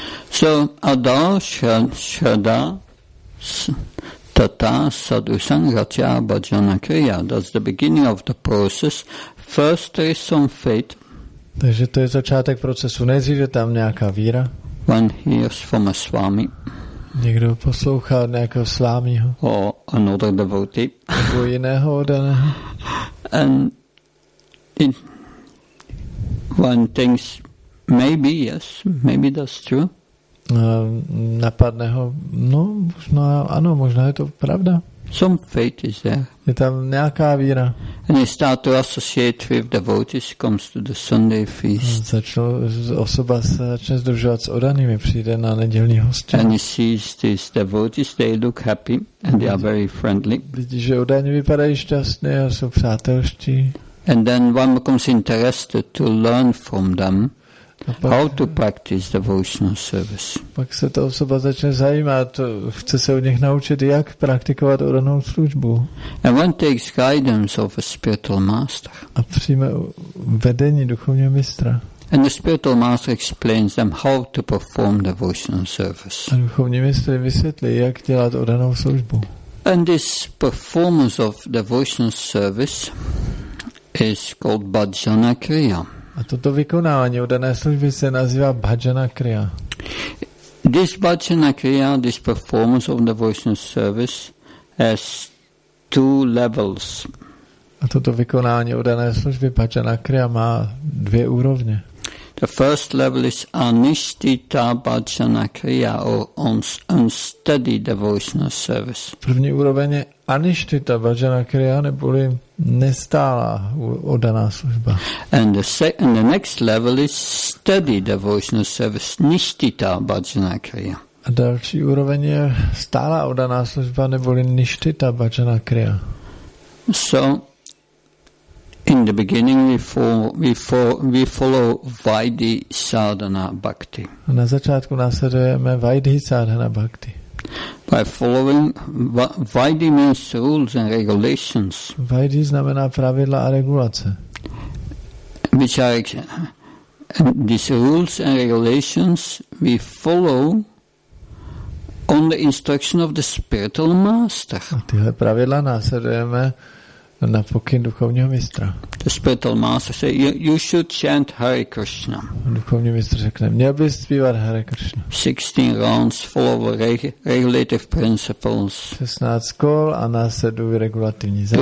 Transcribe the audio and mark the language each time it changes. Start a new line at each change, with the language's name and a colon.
Sanskrit: So adarsha shada tata sadhu sangatya bhajana kriya.
English: That's the beginning of the process. First there is some faith.
Czech: Takže to je začátek procesu. Nejdřív je tam nějaká víra.
English: When he is from a swami.
Czech: Někdo poslouchá nějakého svámího.
English: Or another devotee.
Czech: Nebo jiného oddaného.
English: And it, one thinks, maybe, yes, maybe that's true.
Czech: Napadne ho, no, možná, ano, možná je to pravda.
English: Some faith is there.
Czech: Je tam nějaká víra.
English: And he start to associate with devotees, comes to the Sunday feast.
Czech: Osoba se začne združovat s oddanými, přijde na nedělní hosti.
English: And he sees these devotees, they look happy and they are very friendly.
Czech: Vidí, že oddaní vypadají šťastně a jsou přátelští.
English: And then one becomes interested to learn from them.
Czech: Pak,
English: how to practice devotional service.
Czech: Pak se ta osoba začne zajímat, chce se od nich naučit, jak praktikovat oddanou službu.
English: And one takes guidance of a spiritual master.
Czech: A přijme vedení duchovního mistra.
English: And the spiritual master explains them how to perform devotional service.
Czech: A duchovní mistr vysvětlí, jak dělat oddanou službu.
English: And this performance of devotional service is called bhajana kriya.
Czech: A toto vykonávání oddané služby se nazývá bhajana kriya.
English: This bhajana kriya, this performance of devotional service has two levels.
Czech: A toto vykonávání oddané služby bhajana kriya má dvě úrovně.
English: The first level is anishtita bhajana kriya or unsteady devotional service.
Czech: První úroveň je anishtita bhajana kriya neboli nestálá oddaná služba.
English: And the second, the next level is steady devotional service, nishtita bhajana kriya.
Czech: A další úroveň je stálá oddaná služba neboli nishtita bhajana kriya.
English: So in the beginning we follow vaidhi sadhana bhakti.
Czech: A na začátku následujeme vaidhi sadhana bhakti.
English: By following vaidhi means rules and regulations.
Czech: Vaidhi znamená pravidla a regulace.
English: Which are these rules and regulations we follow on the instruction of the spiritual master.
Czech: Tyhle pravidla následujeme na pokyn duchovního mistra.
English: The spiritual master say you should chant Hare Krishna.
Czech: Duchovní mistr řekne, měl bys zpívat Hare Krishna.
English: 16 rounds follow regulative principles.
Czech: 16 kol a následují regulativní zásady.